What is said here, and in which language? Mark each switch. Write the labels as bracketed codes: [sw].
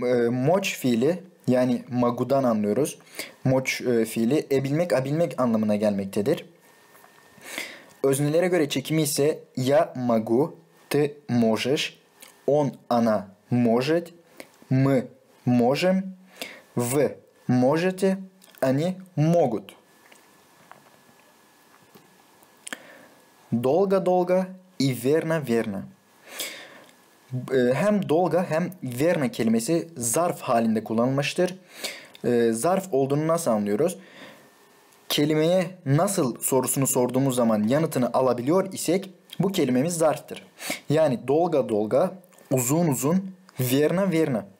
[tr] Moç fiili, yani magudan anlıyoruz. Moç fiili, ebilmek, abilmek anlamına gelmektedir. Öznelere göre çekimi ise [ru] ya magu, ты можешь, он, она, может, мы, можем, вы можете, они могут. Долго-долго и верно-верно. [tr] Hem долго hem верно kelimesi zarf halinde kullanılmıştır. Zarf olduğunu nasıl anlıyoruz? Kelimeye nasıl sorusunu sorduğumuz zaman yanıtını alabiliyor isek bu kelimemiz zarftır. Yani [ru] долго-долго, [tr] uzun uzun, [ru] верно-верно.